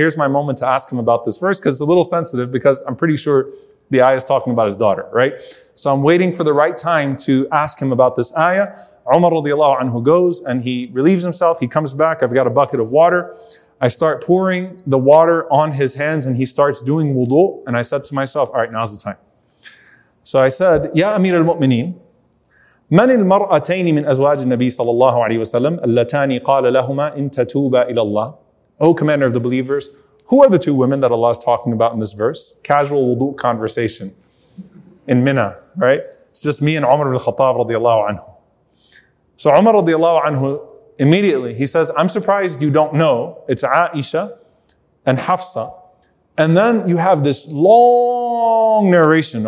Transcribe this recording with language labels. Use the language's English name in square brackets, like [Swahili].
[English] Here's my moment to ask him about this verse, because it's a little sensitive because I'm pretty sure the ayah is talking about his daughter, right? So I'm waiting for the right time to ask him about this ayah. Umar radiallahu anhu goes and he relieves himself. He comes back. I've got a bucket of water. I start pouring the water on his hands and he starts doing wudu. And I said to myself, all right, now's the time. So I said, [Arabic] Ya Amir al-Mu'mineen, من المرأتين من أزواج النبي صلى الله عليه وسلم اللتان قال لهما إن تتوبا إلى الله. [English] O Commander of the Believers, who are the two women that Allah is talking about in this verse? Casual wudu' conversation in Mina, right? It's just me and Umar ibn Khattab radiallahu anhu. So Umar radiallahu anhu, immediately he says, I'm surprised you don't know. It's Aisha and Hafsa. And then you have this long narration.